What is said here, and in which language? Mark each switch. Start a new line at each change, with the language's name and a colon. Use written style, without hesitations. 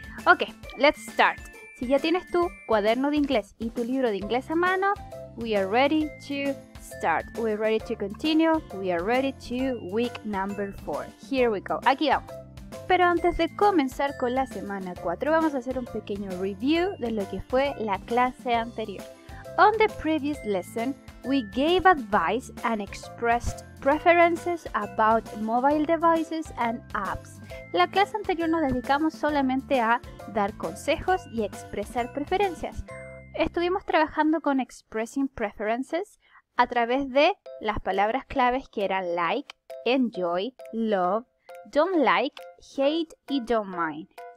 English: Ok, let's start.
Spanish: Si ya tienes tu cuaderno de inglés y tu libro de inglés a mano,
English: we are ready to start. We are ready to continue. We are ready to week number 4. Here we go.
Spanish: Aquí vamos. Pero antes de comenzar con la semana 4, vamos a hacer un pequeño review de lo que fue la clase anterior.
English: On the previous lesson, we gave advice and expressed preferences about mobile devices and apps.
Spanish: La clase anterior nos dedicamos solamente a dar consejos y expresar preferencias. Estuvimos trabajando con
English: expressing preferences
Spanish: a través de las palabras claves que eran
English: like, enjoy, love, don't like, hate
Spanish: y
English: don't mind.